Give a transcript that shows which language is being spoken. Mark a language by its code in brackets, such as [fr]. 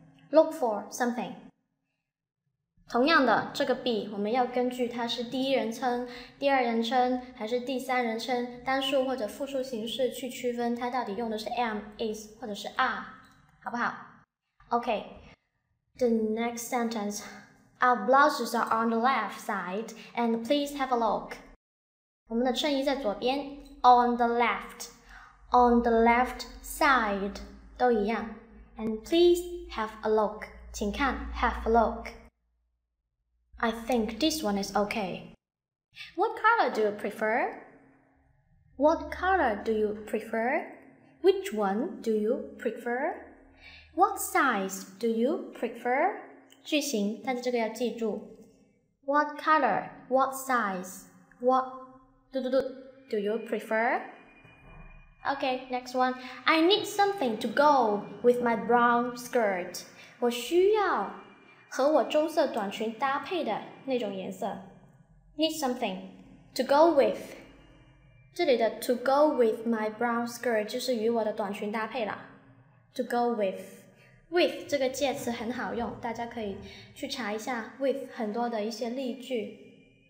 [en] Look for something. [zh] 同样的，这个 be 我们要根据它是第一人称、第二人称还是第三人称，单数或者复数形式去区分它到底用的是 am, is 或者是 are， 好不好 ？OK。 [en] The next sentence. Our blouses are on the left side, and please have a look. [zh] 我们的衬衣在左边 [en] ，on the left, on the left side [zh] 都一样。 [en] And please have a look. [zh] 请看 [en] ，have a look. I think this one is okay. What color do you prefer? What color do you prefer? Which one do you prefer? What size do you prefer? [zh] 句型，但是这个要记住。 [en] What color? What size? What do you prefer? Okay, next one. I need something to go with my brown skirt. [zh] 我需要和我棕色短裙搭配的那种颜色。 [en] Need something to go with. [zh] 这里的 [en] to go with my brown skirt [zh] 就是与我的短裙搭配了。 [en] To go with. [zh] With 这个介词很好用，大家可以去查一下 with 很多的一些例句。